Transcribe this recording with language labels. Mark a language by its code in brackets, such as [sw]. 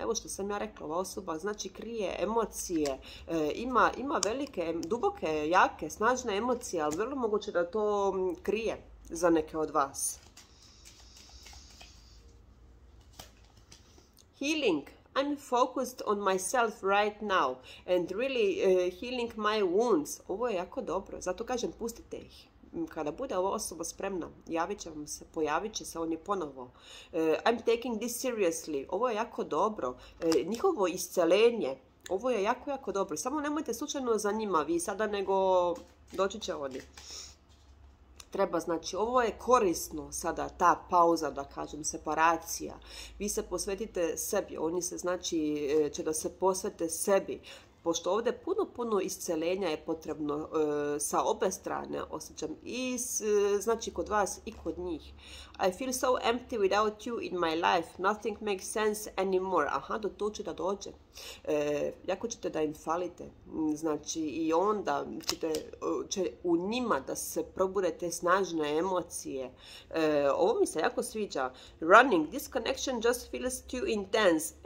[sr] Evo što sam ja rekla, ova osoba znači krije emocije, ima velike, duboke, jake, snažne emocije, ali vrlo moguće da to krije za neke od vas. [en] Healing. I'm focused on myself right now and really healing my wounds. [sr] Ovo je jako dobro, zato kažem pustite ih. Kada bude ova osoba spremna, javit će vam se, pojavit će se oni ponovo. [en] I'm taking this seriously. [sr] Ovo je jako dobro. Njihovo iscelenje Ovo je jako, jako dobro. Samo nemojte slučajno za njima vi sada, nego doći će oni. Treba, znači, ovo je korisno sada, ta pauza, da kažem, separacija. Vi se posvetite sebi, oni se, znači, će da se posvete sebi. Pošto ovdje puno, puno iscelenja je potrebno sa obe strane, osjećam, i znači kod vas i kod njih. [en] I feel so empty without you in my life, nothing makes sense anymore. [sr] Aha, do to će da dođe. Jako ćete da im falite, znači i onda ćete, će u njima da se probude te snažne emocije. Ovo mi se jako sviđa. [en] Running, this connection just feels too intense.